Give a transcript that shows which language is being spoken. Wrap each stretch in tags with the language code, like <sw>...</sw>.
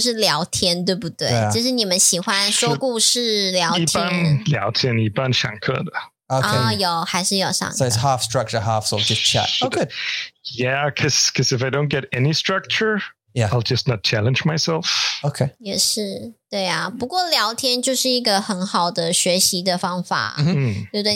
<zh>你们在上课应该不是在上课，就是聊天，对不对？就是你们喜欢说故事、聊天，一般上课的。</zh> <en>Okay.</en> <zh>有，还是有上课。</zh> <en>So it's half structure, half sort of just chat. Oh, good. Yeah, because if I don't get any structure, yeah, I'll just not challenge myself. Okay.</en> <zh>也是，对啊。不过聊天就是一个很好的学习的方法，对不对？</zh>